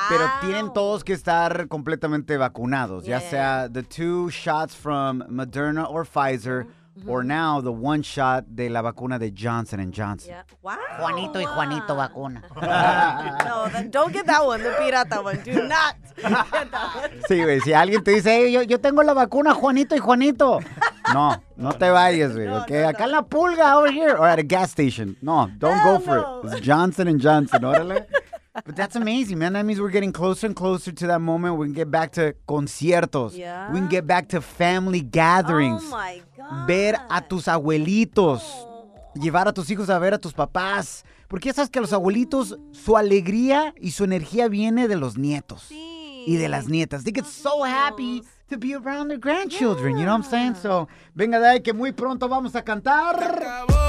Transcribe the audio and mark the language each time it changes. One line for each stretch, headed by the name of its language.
Spanish: Pero tienen todos que estar completamente vacunados, ya sea
English: the two shots from Moderna or Pfizer, or now the one shot
Spanish: de la vacuna de Johnson & Johnson.
English: Yeah. Wow.
Spanish: Juanito y Juanito vacuna.
English: No, don't get that one, the pirata one. Do not get that one.
Spanish: Sí, güey, si alguien te dice, hey, yo tengo la vacuna Juanito y Juanito. No te vayas, güey, okay? No. Acá la pulga
English: over here. Or at a gas station. No, don't Hell go for no. it. It's Johnson & Johnson, órale. But that's amazing, man. That means we're getting closer and closer to that moment. We can get back to conciertos. Yeah. We can get back to family gatherings. Oh, my God.
Spanish: Ver a tus abuelitos. Oh. Llevar a tus hijos a ver a tus papás. Porque ya sabes que los abuelitos, su alegría y su energía viene de los nietos. Sí. Y de las nietas.
English: They get so happy to be around their grandchildren. Yeah. You know what I'm saying?
Spanish: So, venga de ahí que muy pronto vamos a cantar.